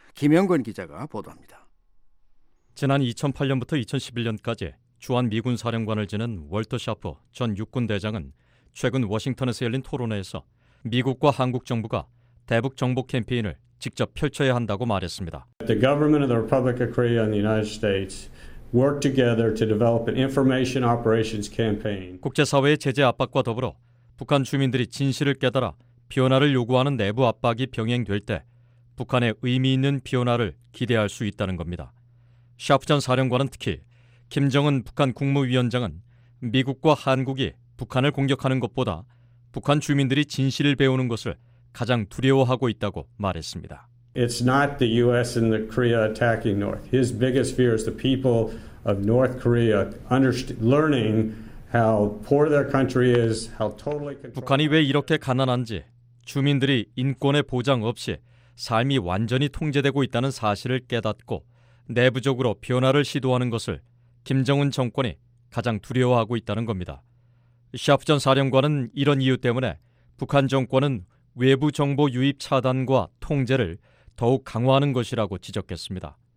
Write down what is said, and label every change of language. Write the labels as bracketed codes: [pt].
[ko] 김영근 기자가 보도합니다. 지난 2008년부터 2011년까지 주한미군 사령관을 지낸 월터 샤프 전 육군 대장은 최근 워싱턴에서 열린 토론회에서 미국과 한국 정부가 대북 정보 캠페인을 직접 펼쳐야 한다고 말했습니다. [en] The government of the Republic of Korea and the United States work together to develop an information operations campaign. [ko] 국제사회의 제재 압박과 더불어 북한 주민들이 진실을 깨달아 변화를 요구하는 내부 압박이 병행될 때 북한의 의미 있는 변화를 기대할 수 있다는 겁니다. 샤프 전 사령관은 특히 김정은 북한 국무위원장은 미국과 한국이 북한을 공격하는 것보다 북한 주민들이 진실을 배우는 것을 가장 두려워하고 있다고 말했습니다. [en] It's not the US and the Korea attacking North. His biggest fear is the people of North Korea learning how poor their country is, how totally controlled. [ko] 북한이 왜 이렇게 가난한지, 주민들이 인권의 보장 없이 삶이 완전히 통제되고 있다는 사실을 깨닫고 내부적으로 변화를 시도하는 것을 김정은 정권이 가장 두려워하고 있다는 겁니다. 샤프 전 사령관은 이런 이유 때문에 북한 정권은 외부 정보 유입 차단과 통제를 더욱 강화하는 것이라고 지적했습니다.